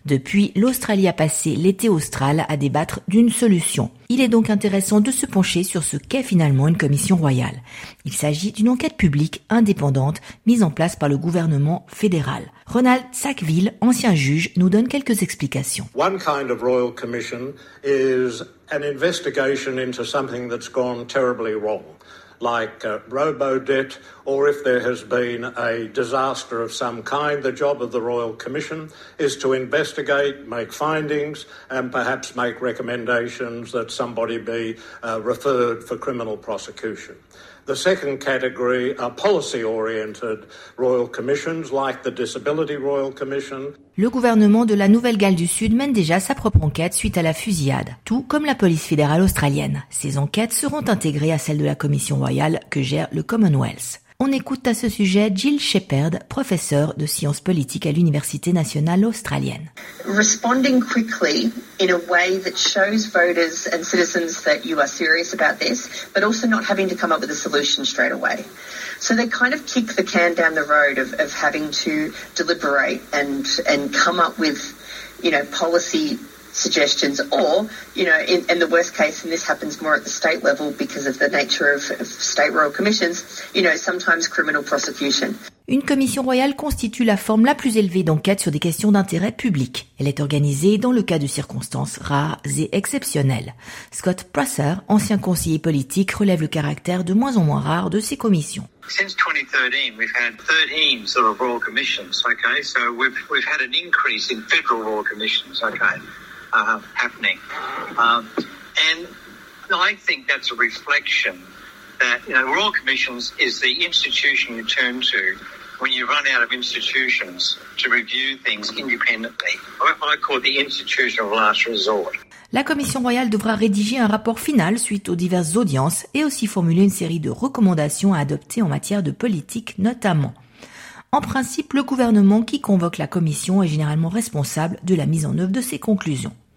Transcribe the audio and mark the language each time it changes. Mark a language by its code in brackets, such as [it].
[fr] Depuis, l'Australie a passé l'été austral à débattre d'une solution. Il est donc intéressant de se pencher sur ce qu'est finalement une commission royale. Il s'agit d'une enquête publique indépendante mise en place par le gouvernement fédéral. Ronald Sackville, ancien juge, nous donne quelques explications. [en] One kind of royal commission is an investigation into something that's gone terribly wrong, like robo-debt, or if there has been a disaster of some kind, the job of the Royal Commission is to investigate, make findings, and perhaps make recommendations that somebody be referred for criminal prosecution. The second category are policy-oriented royal commissions, like the Disability Royal Commission. [fr] Le gouvernement de la Nouvelle-Galles du Sud mène déjà sa propre enquête suite à la fusillade, tout comme la police fédérale australienne. Ces enquêtes seront intégrées à celles de la commission royale que gère le Commonwealth. On écoute à ce sujet Jill Shepherd, professeure de sciences politiques à l'Université nationale australienne. [en] Responding quickly in a way that shows voters and citizens that you are serious about this, but also not having to come up with a solution straight away. So they kind of kick the can down the road of having to deliberate and come up with, you know, policy suggestions, or, you know, in the worst case, and this happens more at the state level because of the nature of state royal commissions, you know, sometimes criminal prosecution. [fr] Une commission royale constitue la forme la plus élevée d'enquête sur des questions d'intérêt public. Elle est organisée dans le cas de circonstances rares et exceptionnelles. Scott Prosser, ancien conseiller politique, relève le caractère de moins en moins rare de ces commissions. [en] Since 2013, we've had 13 sort of royal commissions, okay? So we've had an increase in federal royal commissions, okay? Happening. And I think that's a reflection that, you know, Royal Commissions is the institution you turn to when you run out of institutions to review things independently. I call it the institution of last resort. [fr] La commission royale devra rédiger un rapport final suite aux diverses audiences et aussi formuler une série de recommandations à adopter en matière de politique notamment. En principe, le gouvernement qui convoque la commission est généralement responsable de la mise en œuvre de ses conclusions.